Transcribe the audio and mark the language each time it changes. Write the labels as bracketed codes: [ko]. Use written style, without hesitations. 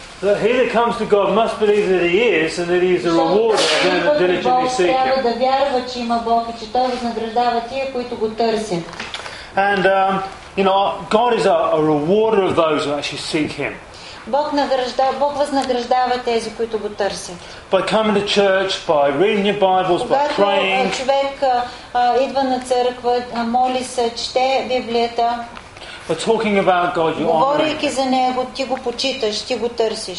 [en] That he that comes to God must believe that he is and that he is a rewarder of them that diligently seek him. [bg] Да вярва, че има Бог и че той възнаграждава тия, които го търсят. [en] And you know, God is a rewarder of those who actually seek him. [bg] Бог възнаграждава тези, които го търсят. [en] By coming to church, by reading your Bibles, by praying. [bg] Когато човек идва на църква, моли се, чете Библията. [en] But talking about God, you honor him. [bg] Говорейки за него, ти го почиташ, ти го търсиш.